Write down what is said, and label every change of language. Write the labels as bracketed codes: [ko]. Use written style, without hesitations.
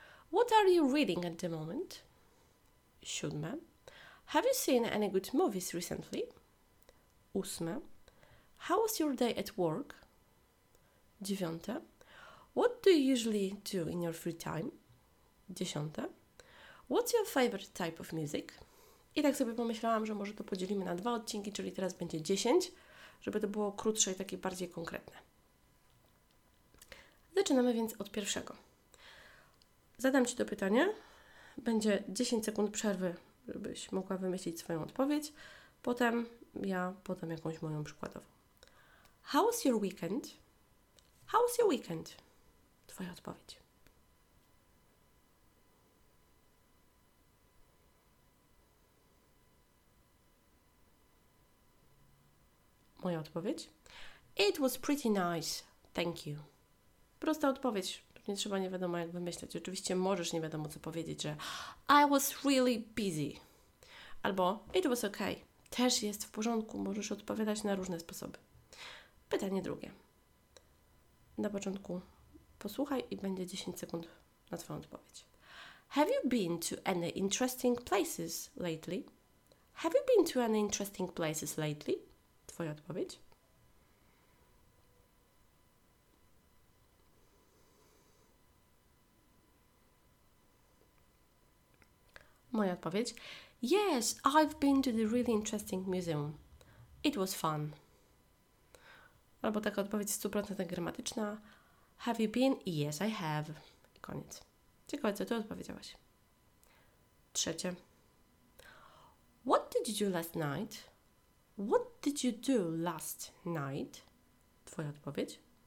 [en] What are you reading at the moment? [pl] Siódme. [en] Have you seen any good movies recently? [pl] Ósme. [en] How was your day at work? [pl] Dziewiąte. [en] What do you usually do in your free time? [pl] Dziesiąte. [en] What's your favorite type of music? [pl] I tak sobie pomyślałam, że może to podzielimy na dwa odcinki, czyli teraz będzie 10, żeby to było krótsze i takie bardziej konkretne. Zaczynamy więc od pierwszego. Zadam Ci to pytanie. Będzie 10 sekund przerwy, żebyś mogła wymyślić swoją odpowiedź. Potem ja podam jakąś moją przykładową. [en] How was your weekend? How was your weekend? [pl] Twoja odpowiedź. Moja odpowiedź. [en] It was pretty nice. Thank you. [pl] Prosta odpowiedź. Nie trzeba nie wiadomo jak wymyślać. Oczywiście możesz nie wiadomo co powiedzieć, że [en] I was really busy. [pl] Albo [en] it was okay. [pl] Też jest w porządku. Możesz odpowiadać na różne sposoby. Pytanie drugie. Na początku posłuchaj i będzie 10 sekund na Twoją odpowiedź. [en] Have you been to any interesting places lately? Have you been to any interesting places lately? [pl] Twoja odpowiedź. Moja odpowiedź. [en] Yes, I've been to the really interesting museum. It was fun. [pl] Albo taka odpowiedź 100% gramatyczna. [en] Have you been? Yes, I have. [pl] I koniec. Ciekawe, co ty odpowiedziałaś. Trzecie. [en] What did you do last night? What did you do last night? [pl] Twoja odpowiedź.